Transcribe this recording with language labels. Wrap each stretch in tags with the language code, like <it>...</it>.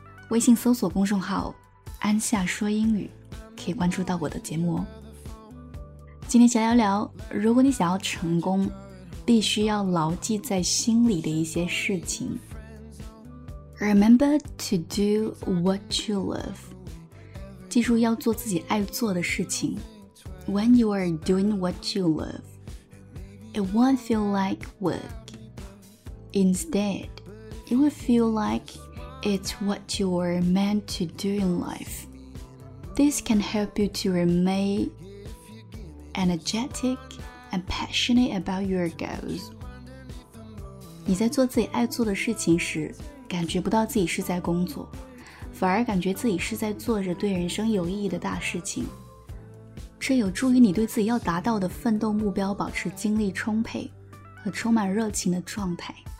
<zh>微信搜索公众号安夏说英语，可以关注到我的节目哦。今天想聊聊，如果你想要成功，必须要牢记在心里的一些事情。</zh> <en>Remember to do what you love.</en> <zh>记住要做自己爱做的事情。</zh> <en>When you are doing what you love, it won't feel like work. Instead, it will feel like it's what you are meant to do in life. This can help you to remain energetic and passionate about your goals.</en> <zh>你在做自己爱做的事情时感觉不到自己是在工作，反而感觉自己是在做着对人生有意义的大事情。这有助于你对自己要达到的奋斗目标保持精力充沛和充满热情的状态。</zh>